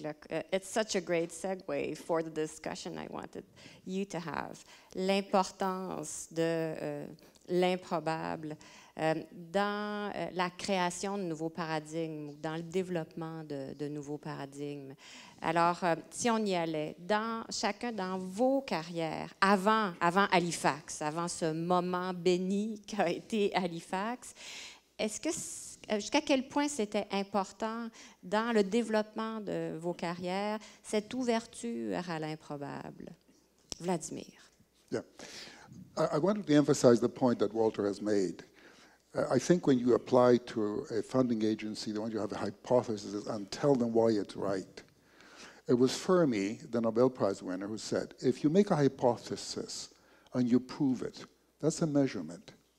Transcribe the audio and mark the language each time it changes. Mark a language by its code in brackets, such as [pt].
[en] Look, it's such a great segue for the discussion I wanted you to have. [fr] L'importance de l'improbable dans la création de nouveaux paradigmes, dans le développement de nouveaux paradigmes. Alors, si on y allait, dans chacun dans vos carrières, avant Halifax, avant ce moment béni qu'a été Halifax, est-ce que jusqu'à quel point c'était important dans le développement de vos carrières, cette ouverture à l'improbable? Vladimir. [en] Yeah. I wanted to emphasize the point that Walter has made. I think when you apply to a funding agency, the one you have a hypothesis is, and tell them why it's right. It was Fermi, the Nobel Prize winner, who said, if you make a hypothesis and you prove it, that's a measurement.